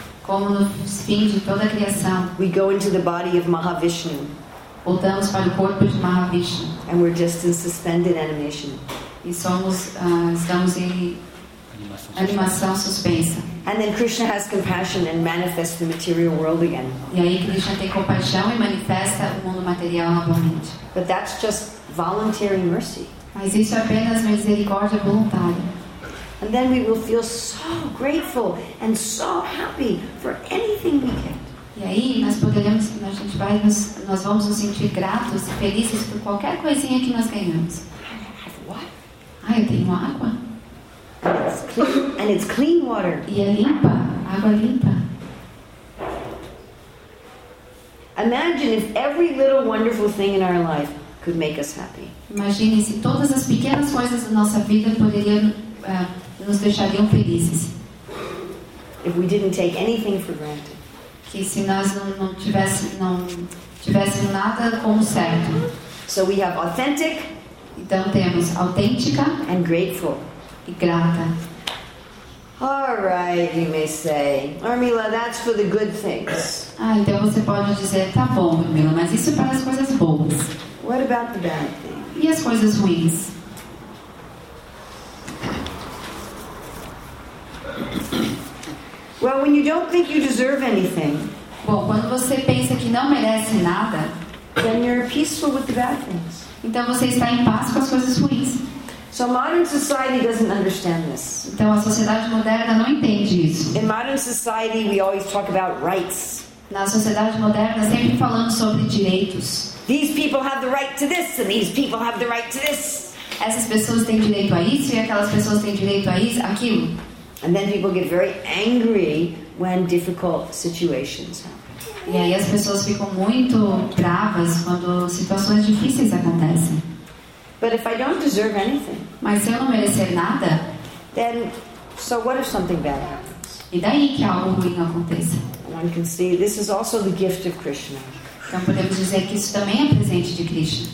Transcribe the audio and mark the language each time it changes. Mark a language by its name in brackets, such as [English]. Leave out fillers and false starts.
[Portuguese] como no fim de toda a criação. [English] We go into the body of Mahavishnu. [Portuguese] Voltamos para o corpo de Mahavishnu. [English] And we're just in suspended animation. [Portuguese] E somos, estamos em animação suspensa. [English] And then Krishna has compassion and manifests the material world again. [Portuguese] E aí Krishna tem compaixão e manifesta o mundo material novamente. [English] But that's just voluntary mercy. [Portuguese] Mas isso é apenas misericórdia voluntária. [English] And then we will feel so grateful and so happy for anything we get. [Portuguese] E aí nós poderemos, a gente vai, nós vamos nos sentir gratos e felizes por qualquer coisinha que nós ganhamos. Ah, eu tenho água. [English] And it's clean water. [Portuguese] E é limpa, água limpa. [English] Imagine if every little wonderful thing in our life could make us happy. [Portuguese] Imagine se todas as pequenas coisas da nossa vida poderiam nos deixariam felizes. [English] If we didn't take anything for granted. [Portuguese] Que se nós não tivéssemos nada como certo. [English] So we have authentic. [Portuguese] Então temos autêntica. [English] And grateful. [Portuguese] E grata. [English] All right, you may say, Armila, that's for the good things. [Portuguese] Ah, então você pode dizer, tá bom, Armila, mas isso é para as coisas boas. [English] What about the bad things? [Portuguese] E as coisas ruins? [English] Well, when you don't think you deserve anything, [Portuguese] bom, quando você pensa que não merece nada, [English] then you're peaceful with the bad things. [Portuguese] Então você está em paz com as coisas ruins. [English] So modern society doesn't understand this. [Portuguese] Então a sociedade moderna não entende isso. [English] In modern society, we always talk about rights. [Portuguese] Na sociedade moderna sempre falamos sobre direitos. [English] These people have the right to this, and these people have the right to this. [Portuguese] Essas pessoas têm direito a isso e aquelas pessoas têm direito a isso, aquilo. [English] And then people get very angry when difficult situations happen. [Portuguese] E aí as pessoas ficam muito bravas quando situações difíceis acontecem. [English] But if I don't deserve anything, [Portuguese] mas se eu não merecer nada, [English] then so what if something bad happens? [Portuguese] E daí que algo ruim aconteça? [English] One can see this is also the gift of Krishna. [Portuguese] Então podemos dizer que isso também é presente de Krishna.